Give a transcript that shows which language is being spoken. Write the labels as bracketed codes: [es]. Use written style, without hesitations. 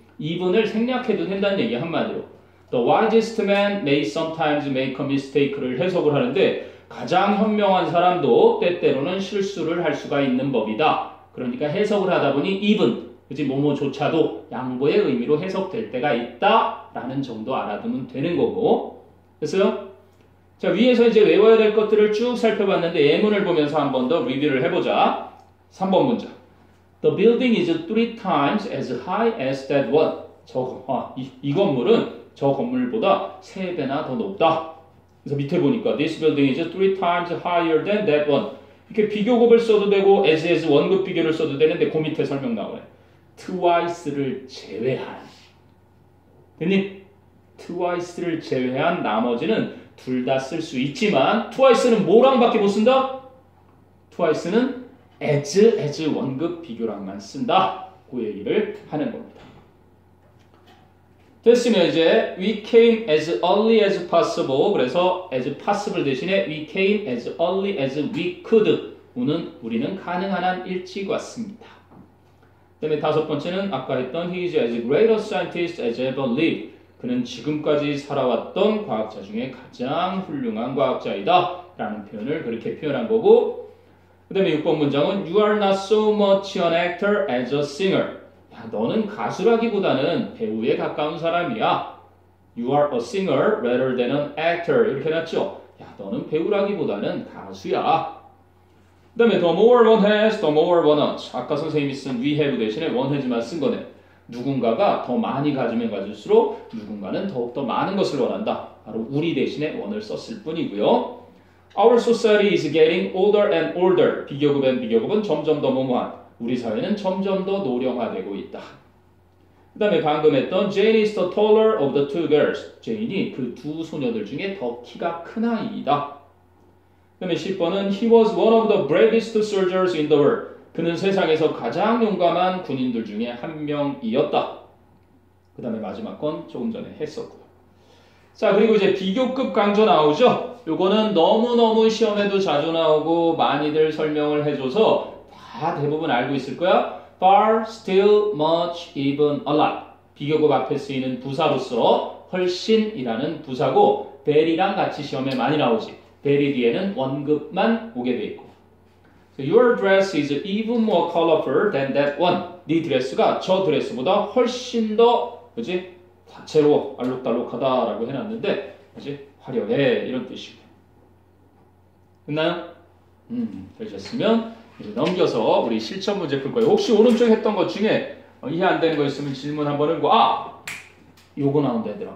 [ko] even을 생략해도 된다는 얘기 한마디로. [en] the wisest man may sometimes make a mistake [ko] 를 해석을 하는데, 가장 현명한 사람도 때때로는 실수를 할 수가 있는 법이다. 그러니까 해석을 하다 보니 even, 그지 뭐뭐조차도 양보의 의미로 해석될 때가 있다라는 정도 알아두면 되는 거고. 됐어요? 자, 위에서 이제 외워야 될 것들을 쭉 살펴봤는데 예문을 보면서 한 번 더 리뷰를 해보자. 3번 문장. [en] The building is three times as high as that one. [ko] 이 건물은 저 건물보다 세 배나 더 높다. 그래서 밑에 보니까 [en] this building is three times higher than that one. [ko] 이렇게 비교급을 써도 되고 as 원급 비교를 써도 되는데 그 밑에 설명 나오네. twice를 제외한. 됐니? twice를 제외한 나머지는 둘 다 쓸 수 있지만 twice는 뭐랑 밖에 못 쓴다? 트와이스는 as 원급 비교랑만 쓴다. 그 얘기를 하는 겁니다. 됐으면 이제 [en] we came as early as possible. [ko] 그래서 [en] as possible [ko] 대신에 [en] we came as early as we could. [ko] 우리는 가능한 한 일찍 왔습니다. 그다음에 다섯 번째는 아까 했던 [en] he is as great a scientist as ever lived. [ko] 그는 지금까지 살아왔던 과학자 중에 가장 훌륭한 과학자이다 라는 표현을 그렇게 표현한 거고, 그 다음에 6번 문장은 [en] you are not so much an actor as a singer. [ko] 야, 너는 가수라기보다는 배우에 가까운 사람이야. [en] You are a singer rather than an actor. [ko] 이렇게 해놨죠. 야, 너는 배우라기보다는 가수야. 그 다음에 [en] the more one has, the more one wants. [ko] 아까 선생님이 쓴 we have 대신에 one has만 쓴 거네. 누군가가 더 많이 가지면 가질수록 누군가는 더욱더 많은 것을 원한다. 바로 우리 대신에 원을 썼을 뿐이고요. [en] Our society is getting older and older. [ko] 비교급엔 비교급은 점점 더 모모한. 우리 사회는 점점 더 노령화되고 있다. 그 다음에 방금 했던 [en] Jane is the taller of the two girls. [ko] 제인이 그 두 소녀들 중에 더 키가 큰 아이이다. 그 다음에 10번은 [en] He was one of the bravest soldiers in the world. [ko] 그는 세상에서 가장 용감한 군인들 중에 한 명이었다. 그 다음에 마지막 건 조금 전에 했었고요. 자, 그리고 이제 비교급 강조 나오죠? 요거는 너무너무 시험에도 자주 나오고 많이들 설명을 해줘서 다 대부분 알고 있을 거야. [en] Far, still, much, even, a lot. [ko] 비교급 앞에 쓰이는 부사로서 훨씬이라는 부사고 very랑 같이 시험에 많이 나오지. very 뒤에는 원급만 오게 돼 있고. [en] Your dress is even more colorful than that one. [ko] 네 드레스가 저 드레스보다 훨씬 더, 그지? 다채로워, 알록달록하다 라고 해놨는데, 그지? 화려해. 이런 뜻이고. 끝나요? 되셨으면, 이제 넘겨서 우리 실천 문제 풀 거예요. 혹시 오른쪽 했던 것 중에 이해 안 되는 거 있으면 질문 한번 해보고, 아! 요거 나온다, 얘들아.